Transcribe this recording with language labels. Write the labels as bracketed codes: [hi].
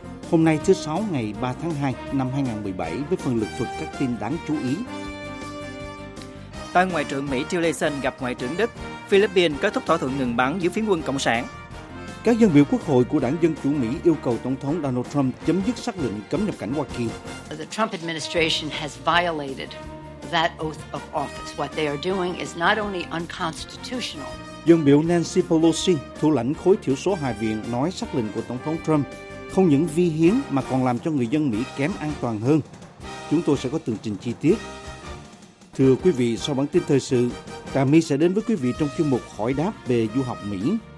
[vi] Hôm nay thứ Sáu ngày 3 tháng 2 năm 2017 với phần lực thuật các tin đáng chú ý. Tân Ngoại trưởng Mỹ Tillerson gặp Ngoại trưởng Đức, Philippines kết thúc thỏa thuận ngừng bắn giữa phiến quân Cộng sản. Các dân biểu quốc hội của đảng Dân Chủ Mỹ yêu cầu Tổng thống Donald Trump chấm dứt xác lệnh cấm nhập cảnh Hoa Kỳ. [en] The Trump administration has violated that oath of office. What they are doing is not only unconstitutional. [vi] Dân biểu Nancy Pelosi, thủ lãnh khối thiểu số Hạ viện, nói sắc lệnh của Tổng thống Trump không những vi hiến mà còn làm cho người dân Mỹ kém an toàn hơn. Chúng tôi sẽ có tường trình chi tiết. Thưa quý vị, sau bản tin thời sự, Trà My sẽ đến với quý vị trong chuyên mục Hỏi đáp về du học Mỹ.